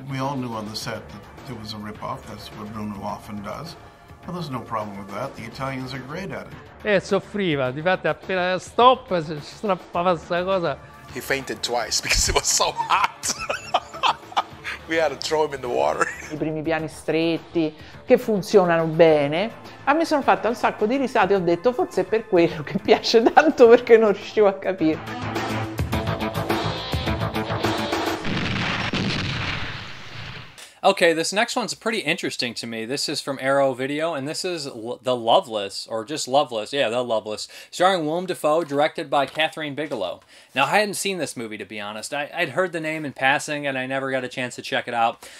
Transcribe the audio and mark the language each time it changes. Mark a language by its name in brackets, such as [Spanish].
[English] We all knew on the set that it was a ripoff. That's what Bruno often does. But there's no problem with that. The Italians are great at it. [Italian] Soffriva. Difatti, appena stop, si strappava questa cosa. [English] He fainted twice because it was so hot. We had to throw him in the water. [Italian] I primi piani stretti che funzionano bene. A me sono fatta un sacco di risate e ho detto forse è per quello che piace tanto perché non riuscivo a capire. [English] Okay, this next one's pretty interesting to me. This is from Arrow Video, and this is The Loveless, or just Loveless. Yeah, The Loveless, starring Willem Dafoe, directed by Kathryn Bigelow. Now, I hadn't seen this movie, to be honest. I'd heard the name in passing, and I never got a chance to check it out.